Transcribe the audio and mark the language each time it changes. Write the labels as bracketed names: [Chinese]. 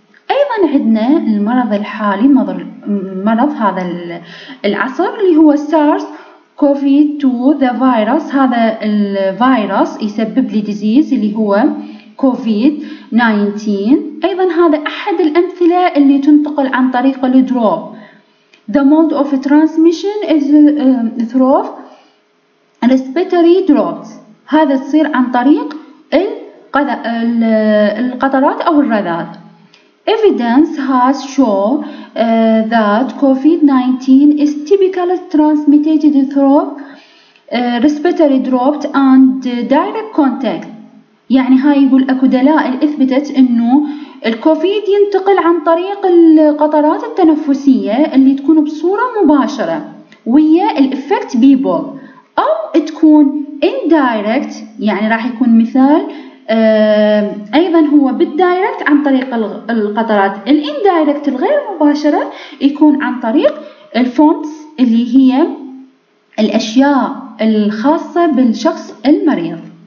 [Arabic] أيضا عندنا المرض الحالي، مرض هذا العصر اللي هو سارس كوفيد 2 the virus. هذا الفيروس يسبب لي ديزيز اللي هو كوفيد 19. أيضا هذا أحد الأمثلة اللي تنتقل عن طريق الدروب. [English] The mode of transmission is through respiratory drops. [Arabic] هذا تصير عن طريق القطرات أو الرذاذ. [English] Evidence has shown that COVID-19 is typically transmitted through respiratory droplets and direct contact. [Arabic] يعني هاي يقول أكو دلائل أثبتت إنه الكوفيد ينتقل عن طريق القطرات التنفسية اللي تكون بصورة مباشرة ويا الإفكت بيبول، أو تكون indirect. يعني راح يكون مثال أيضا هو بالدايركت عن طريق القطرات، الاندايركت الغير مباشرة يكون عن طريق الفومس اللي هي الأشياء الخاصة بالشخص المريض.